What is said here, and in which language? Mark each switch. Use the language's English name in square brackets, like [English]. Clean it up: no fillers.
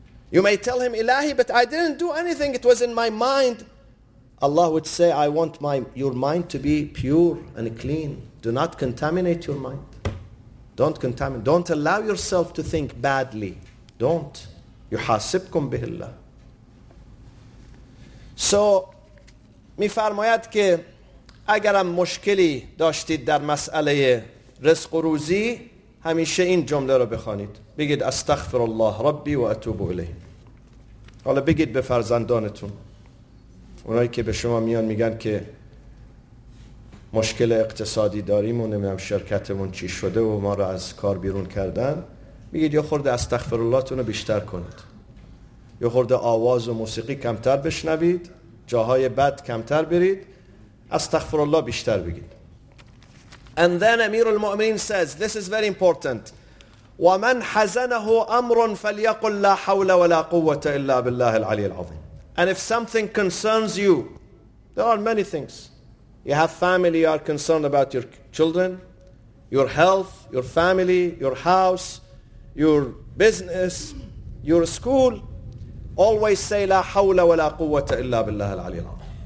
[English] You may tell him, Ilahi, but I didn't do anything, it was in my mind. Allah would say, I want your mind to be pure and clean. Do not contaminate your mind. Don't allow yourself to think badly. Don't. [Arabic] يُحَاسِبْكُمْ بِهِ اللَّهِ. [English] So, [Persian] می فرماید که اگرم مشکلی داشتید در مسئله رزق و روزی, همیشه این جمله رو بخوانید. بگید [Arabic] استغفر الله ربی و اتوب الیه. [Persian] حالا بگید به فرزندانتون, اونایی که به شما میان میگن که مشکل اقتصادی داریم و نمیدونم شرکتمون چی شده و ما را از کار بیرون کردن, میگید یه خورده استغفر اللهتون رو بیشتر کنید, یه خورده آواز و موسیقی کمتر بشنوید, جاهای بد کمتر برید, استغفر الله بیشتر بگید. [English] And then امیر المؤمنین says, this is very important, [Arabic] ومن حزنه امر فليقل لا حول ولا قوة الا بالله العلي العظيم. [English] And if something concerns you, there are many things. You have family, you are concerned about your children, your health, your family, your house, your business, your school. Always say, [Arabic] La hawla wa la quwwata illa billah al-ali al-azim.